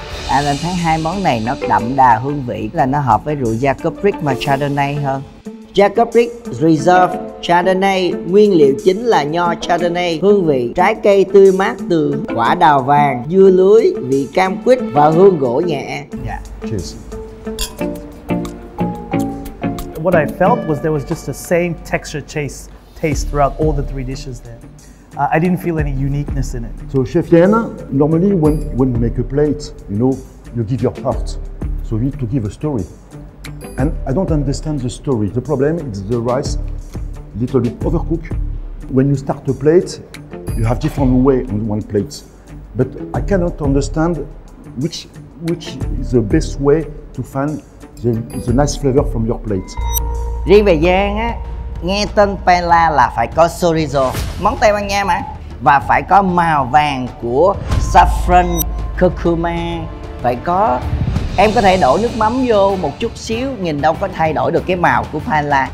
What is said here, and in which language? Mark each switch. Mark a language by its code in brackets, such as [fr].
[vi] Anh em thấy hai món này nó đậm đà hương vị, là nó hợp với rượu Jacob Rick mà Chardonnay hơn. Jacob Rick Reserve Chardonnay, nguyên liệu chính là nho Chardonnay, hương vị trái cây tươi mát từ quả đào vàng, dưa lưới, vị cam quýt và hương gỗ nhẹ. [en] Yeah. Cheers. What I felt was there was just the same texture taste throughout all the three dishes there. I didn't feel any uniqueness in it. So Chef Yen, normally when you make a plate, you know, you give your heart. So you need to give a story. And I don't understand the story. The problem is the rice little bit overcooked. When you start a plate, you have different way on one plate. But I cannot understand which is the best way to find the nice flavor from your plate. [vi] Riêng về Giang á, nghe tên paella là phải có chorizo, món Tây Ban Nha mà. Và phải có màu vàng của saffron, curcuma, phải có. Em có thể đổ nước mắm vô một chút xíu, nhìn đâu có thay đổi được cái màu của paella.